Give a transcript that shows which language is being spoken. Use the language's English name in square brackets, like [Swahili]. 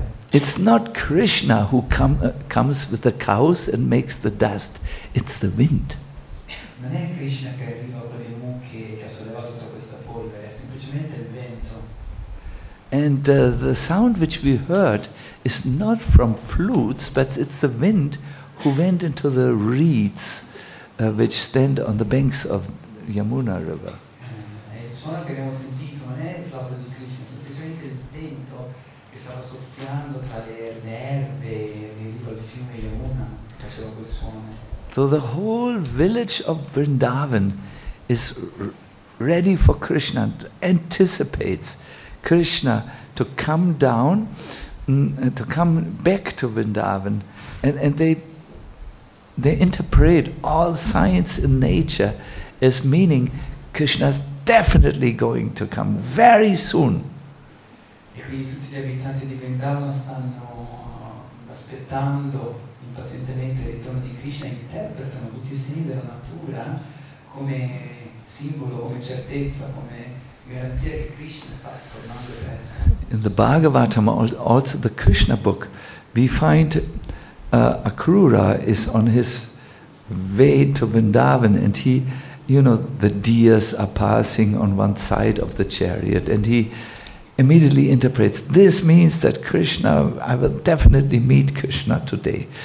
[English] It's not Krishna who comes with the cows and makes the dust. It's the wind. [Italian] Non è Krishna che arriva con le mucche che ha sollevato tutta questa polvere, è semplicemente il vento. [English] And the sound which we heard is not from flutes, but it's the wind who went into the reeds which stand on the banks of Yamuna River. [Italian] Il suono che abbiamo sentito non è il flauto di Krishna, semplicemente il vento che stava soffiando tra le erbe veniva il fiume Yamuna, faceva quel suono. [English] So the whole village of Vrindavan is ready for Krishna, anticipates Krishna to come down, to come back to Vrindavan, and they interpret all science in nature as meaning Krishna's definitely going to come very soon. [Italian] E quindi tutti gli abitanti di Vrindavan stanno aspettando impazientemente il ritorno di Krishna, interpretano tutti i segni della natura come simbolo, come certezza, come garanzia che Krishna sta tornando presto. [English] In the Bhagavatam, also the Krishna book, we find Akrura is on his way to Vrindavan, and he, you know, the deers are passing on one side of the chariot, and he immediately interprets, this means that Krishna, I will definitely meet Krishna today.